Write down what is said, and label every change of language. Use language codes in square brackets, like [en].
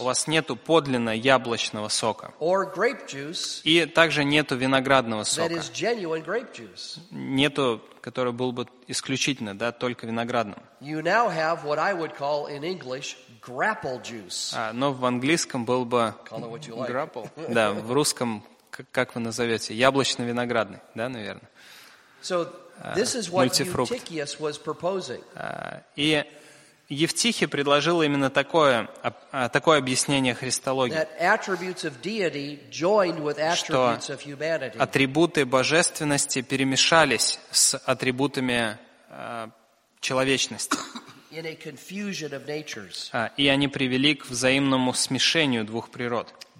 [ru] У вас нету подлинно яблочного сока. [en] Or grape juice. [ru] И также нету виноградного сока. [en] That is genuine grape juice. [ru] Нету, который был бы исключительно, да, только виноградным. [en] You now have what I would call in English grapple juice. [ru] Но в английском был бы [en] grapple. [ru] Да, в русском как вы назовете? Яблочно-виноградный, да, наверное. [en] So this is what Eutychius was proposing. [ru] И Евтихий предложил именно такое объяснение христологии, что атрибуты божественности перемешались с атрибутами человечности, и они привели к взаимному смешению двух природ.